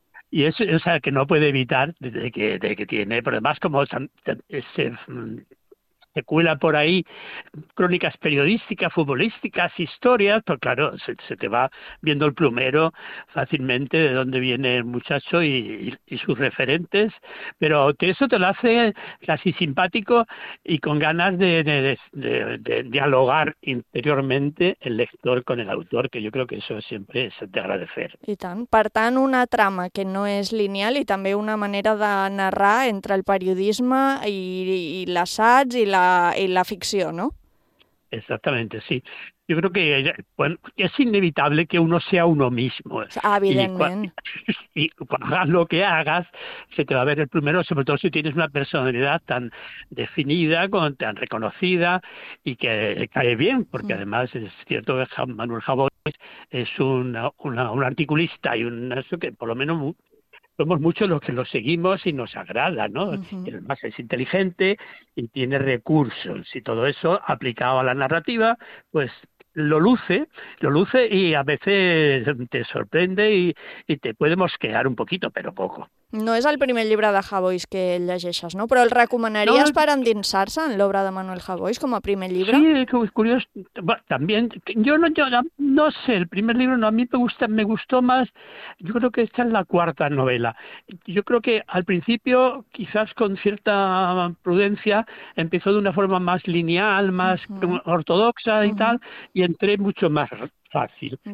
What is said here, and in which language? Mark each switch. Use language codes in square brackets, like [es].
[es] Y eso, o sea, que no puede evitar de que tiene, pero además como ese se cuela por ahí crónicas periodísticas, futbolísticas, historias, pues claro, se te va viendo el plumero fácilmente de dónde viene el muchacho y sus referentes, pero eso te lo hace casi simpático y con ganas de dialogar interiormente el lector con el autor, que yo creo que eso siempre es de agradecer. [ca] I tant. Per tant, una trama que no és lineal i també una manera de narrar entre el periodisme i l'assaig i la ficció, no? [es] Exactamente, sí. Yo creo que, bueno, es inevitable que uno sea uno mismo. [ca] Evidentment. [es] Y cuando hagas lo que hagas, se te va a ver el primero, sobre todo si tienes una personalidad tan definida, tan reconocida y que cae bien, porque además es cierto que Manuel Javois es un articulista y un eso que por lo menos somos muchos los que lo seguimos y nos agrada, ¿no? Y además es inteligente y tiene recursos. Y todo eso aplicado a la narrativa, pues lo luce y a veces te sorprende y te puede mosquear un poquito, pero poco. [ca] No és el primer llibre de Havois que llegeixes, no? Però el No. recomanaries per endinsar-se en l'obra de Manuel Havois com a primer llibre? [es] Sí, curioso. Bueno, también, yo no sé, el primer libro no, a mí me gustó más, yo creo que esta es la cuarta novela. Yo creo que al principio, quizás con cierta prudencia, empezó de una forma más lineal, más ortodoxa y tal, y entré mucho más fácil.